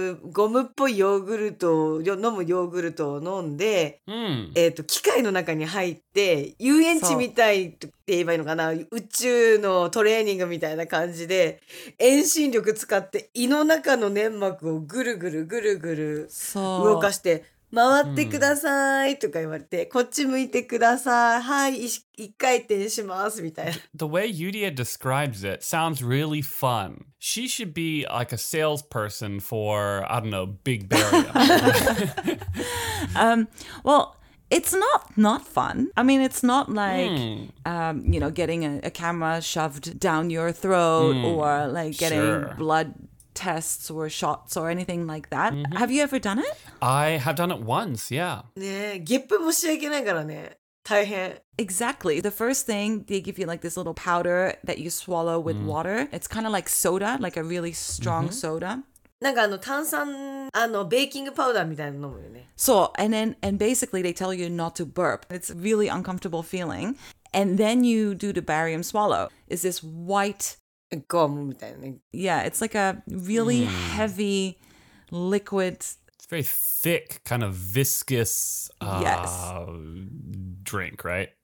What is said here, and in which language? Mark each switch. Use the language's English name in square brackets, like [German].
[Japanese] ゴムっぽいヨーグルトを飲むヨーグルトを飲んで、機械の中に入って遊園地みたいって言えばいいのかな、宇宙のトレーニングみたいな感じで遠心力使って胃の中の粘膜をぐるぐるぐるぐる動かして回ってくださいとか言われて、こっち向いてください。はい、一回転しますみたいな。 [English] The way Yudia describes it sounds really fun. She should be like a salesperson for, I don't know, Big Barium. Well, it's not fun. I mean, it's not like, you know, getting a camera shoved down your throat or like getting blood tests or shots or anything like that. Have you ever done it? I have done it once, yeah. [Japanese] Gippu もしちゃいけないからね。大変。 [English] Exactly. The first thing, they give you like this little powder that you swallow with water. It's kind of like soda, like a really strong soda. [Japanese] なんかあの炭酸、あのベーキングパウダーみたいなの飲むよね。 [English] So, and basically they tell you not to burp. It's a really uncomfortable feeling. And then you do the barium swallow. It's this white... [Japanese] Gum, みたいなね。 [English] Yeah, it's like a really heavy liquid. It's very thick, kind of viscous drink, right?